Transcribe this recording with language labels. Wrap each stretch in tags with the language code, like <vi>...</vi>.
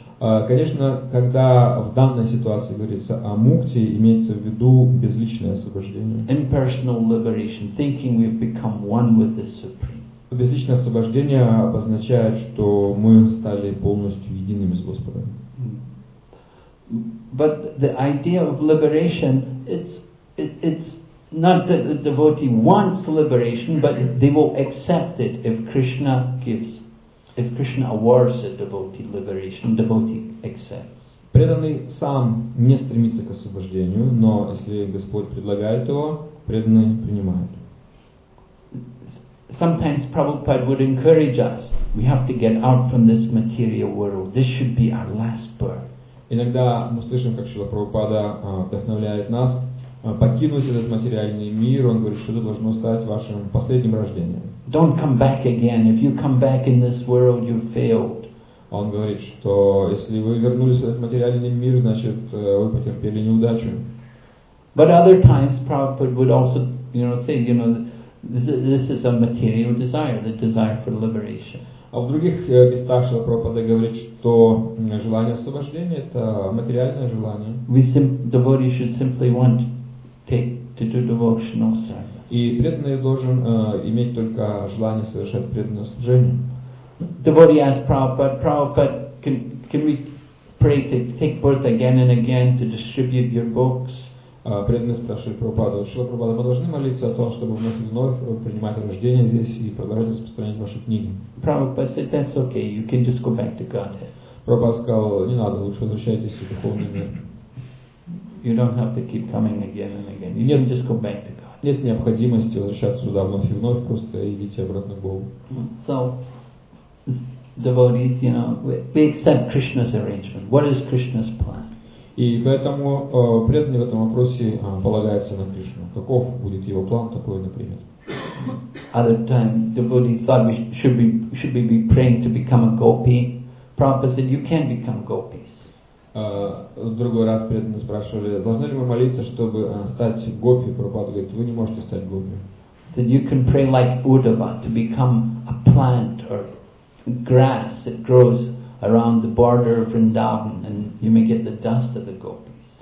<ru>Конечно, когда в данной ситуации говорится о мукти, имеется в виду безличное освобождение.</ru> <en>Impersonal liberation, thinking we've become one with the Supreme.</en> <ru>Безличное освобождение обозначает, что мы стали полностью едиными с Господом.</ru> <en>But the idea of liberation, it's not that the devotee wants liberation, but they will accept it if Krishna awards a devotee liberation, devotee accepts.</en> <ru>Преданный сам не стремится к освобождению, но если Господь предлагает его, преданный принимает.</ru> <en>Sometimes Prabhupada would encourage us, we have to get out from this material world. This should be our last birth.</en> <ru>Иногда мы слышим, как Шрила Прабхупада вдохновляет нас покинуть этот материальный мир. Он говорит, что это должно стать вашим последним рождением.</ru> <en>Don't come back again. If you come back in this world, you failed.</en> <ru>Он говорит, что если вы вернулись в этот материальный мир, значит, вы потерпели неудачу.</ru> <en>But other times Prabhupada would also, you know, say, you know, this is a material desire, the desire for liberation.</en> <ru>А в других местах Шрила Прабхупада говорит, что желание освобождения – это материальное желание.</ru> <en>Devotee should simply want to do devotional service.</en> <ru>И преданный должен иметь только желание совершать преданное служение.</ru> <en>Devotee asks Prabhupada, can we pray to take birth again and again to distribute your books?</en> <ru>Преданный спрашивает Прабхупаду, Шрила Прабхупада, мы должны молиться о том, чтобы вновь и вновь принимать рождение здесь и продолжать распространять ваши книги.</ru> <en>Prabhupada said, that's okay, you can just go back to Godhead.</en> <ru>Прабхупада сказал, не надо, лучше возвращайтесь в духовный мир.</ru> <en>You don't have to keep coming again and again. You can just go back to God.</en> <ru>Нет необходимости возвращаться сюда вновь и вновь, просто идите обратно к Богу.</ru> <en>So, devotees, you know, we accept Krishna's arrangement. What is Krishna's plan?</en> <ru>И поэтому преданный в этом вопросе полагается на Кришну. Каков будет его план такой, например?</ru> <en>Other time, devotee thought we should be praying to become a gopi. Prabhupada said, you can't become gopis.</en> <ru>Другой раз преданные спрашивали, должны ли мы молиться, чтобы стать гопи? Прабхупада говорит, вы не можете стать гопи.</ru> <en>Said, you can pray like Uddhava to become a plant or grass that grows around the border of Vrindavan, and you may get the dust of the gopis.</en>